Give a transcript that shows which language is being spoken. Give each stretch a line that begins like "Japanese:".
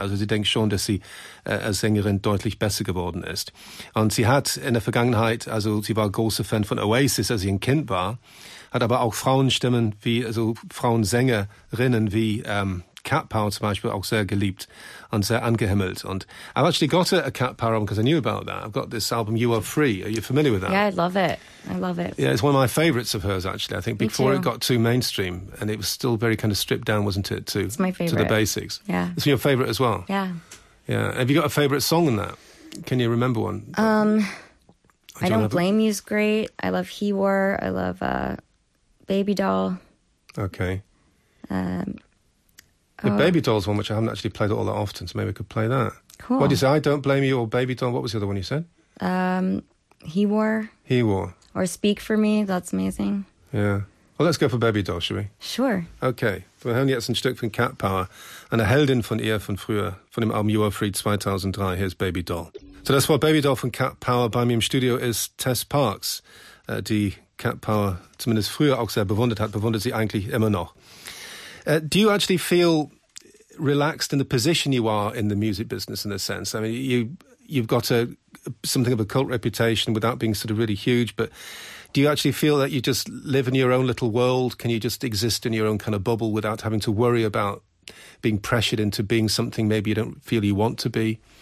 German: Also sie denkt schon, dass sie als Sängerin deutlich besser geworden ist. Und sie hat in der Vergangenheit, also sie war große Fan von Oasis, als sie ein Kind war, hat aber auch Frauenstimmen wie, also Frauensängerinnen wie Cat Power zum Beispiel auch sehr geliebt und sehr angehimmelt. Und
English: I've actually got a Cat Power album because I knew about that. I've got this album, You Are Free. Are you familiar with that? Yeah, I love it. I love it. Yeah, it's one of my favourites of hers, actually, I think, before it got too mainstream. And it was still very kind of stripped down, wasn't it, to, it's my favorite. To the basics. Yeah. It's your favourite as well? Yeah. Yeah. Have you got a favourite song in that? Can you remember one? I Don't Blame You is great. I love He Wore. I love Baby Doll. Okay. Baby Doll's one, which I haven't actually played all that often, so maybe we could play that. Cool. What did you say, I Don't Blame You or Baby Doll? What was the other one you said? He Wore. He Wore. Or Speak For Me, that's amazing. Yeah. Well, let's go for Baby Doll, shall we? Sure. Okay.
German: Wir hören jetzt ein Stück von Cat Power. Eine Heldin von ihr von früher, von dem Album You Are Free 2003.
English: Here's Baby Doll.
German: So das war Baby Doll von Cat Power. Bei mir im Studio ist Tess Parks, die Cat Power zumindest früher auch sehr bewundert hat, bewundert sie eigentlich immer noch.
English: Do you actually feel relaxed in the position you are in the music business in a sense? I mean, you've got something of a cult reputation without being sort of really huge, but do you actually feel that you just live in your own little world? Can you just exist in your own kind of bubble without having to worry about being pressured into being something maybe you don't feel you want to be?